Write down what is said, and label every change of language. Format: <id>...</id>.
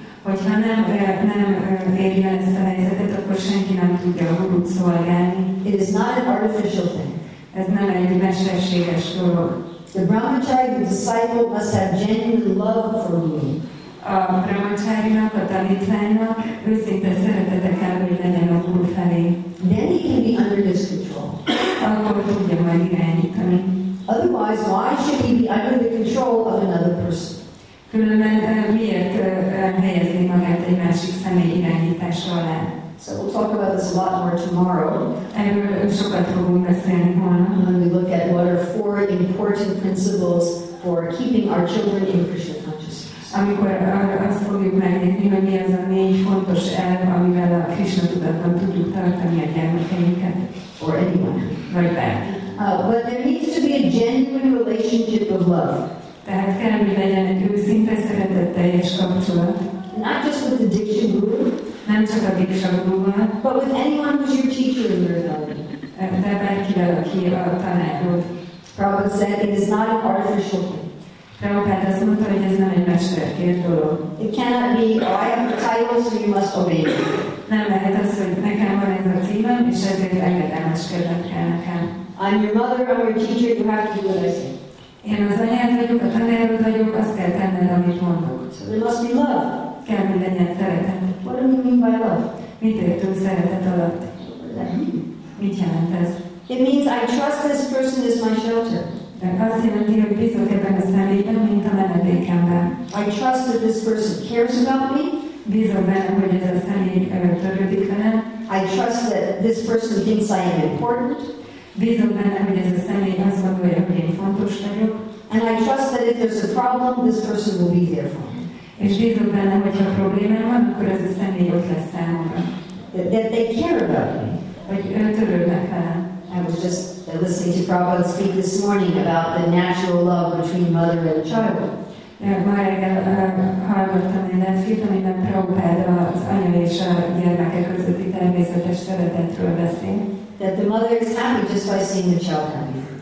<hu>Hogyha nem érje ezt a helyzetet, akkor senki nem tudja a gurút szolgálni.</hu> <en>It is not an artificial thing.</en> <hu>Ez nem egy mesterséges dolog.</hu> <en>The brahmachari, the disciple, must have genuine love for me.</en> <hu>A brahmacharinak, a tanítványnak őszinte szeretete kell, hogy legyen a gurú felé.</hu> <en>Then he can be under his control.</en> <hu>Akkor tudja majd irányítani.</hu> <en>Otherwise, why should he be under the control of another person?</en> <hu>Különben miért helyezni magát egy másik személy irányítása alá?</hu> <en>So we'll talk about this a lot more tomorrow.</en> <hu>Erről sokat fogunk beszélni holnap.</hu> <en>When we look at what are four important principles for keeping our children in Krishna consciousness.</en> <hu>Amikor azt fogjuk megnézni, hogy mi az a négy fontos elv, amivel a Krishna tudatban tudjuk tartani a gyermekeinket.</hu> <en>Or anyone.</en> <hu>Vagy bárki.</hu> <en>But there needs to be a genuine relationship of love.</en> <hu>Tehát kell, hogy legyen egy őszinte szeretetteljes kapcsolat.</hu> <en>Not just with the Diksha Guru.</en> <hu>Nem csak a Diksha Guru-val.</hu> <en>But with anyone who's your teacher in your</en> <hu>family. De bárkivel, aki a tanárod.</hu> <en>Prabhupada said, it is not an artificial thing.</en> <hu>Prabhupada azt mondta, hogy ez nem egy mesterkért dolog.</hu> <en>It cannot be, oh, I have a title, so you must obey me.</en> <hu>Nem lehet az, hogy nekem van ez a címem, és ezért engedelmeskednek kell nekem.</hu> <en>I'm your mother, I'm your teacher, you have to do what I say.</en> <hu>Én az anyád vagyok, a tanárod vagyok, azt kell tenned, amit mondok.</hu> <en>So there must be love.</en> <hu>Kell, hogy legyen szeretet.</hu> <en>What do you mean by love?</en> <hu>Mit értünk szeretet alatt? Mit jelent ez?</hu> <en>It means I trust this person as my shelter.</en> <hu>De azt jelenti, hogy bízok ebben a személyben, mint a menedékemben.</hu> <en>I trust that this person cares about me.</en> <hu>Bízok benne, hogy ez a személy törődik velem.</hu> <en>I trust that this person thinks I am important.</en> <hu>Bízom benne, hogy ez a személy azt gondolja, hogy én fontos vagyok.</hu> <en>And I trust that if there's a problem, this person will be there for me.</en> <hu>És bízom benne, hogyha probléma van, akkor ez a személy ott lesz számomra.</hu> <en>That they care about me.</en> <hu>Hogy ő törődnek velem.</hu> <en>I was just listening to Prabhupada speak this morning about the natural love between mother and child.</en> <hu>Ma reggel hallottam egy leckét, amiben Prabhupada az anya és a gyermekek közötti természetes szeretetről beszél.</hu> <en>That the mother is happy just by seeing the child happy.</en>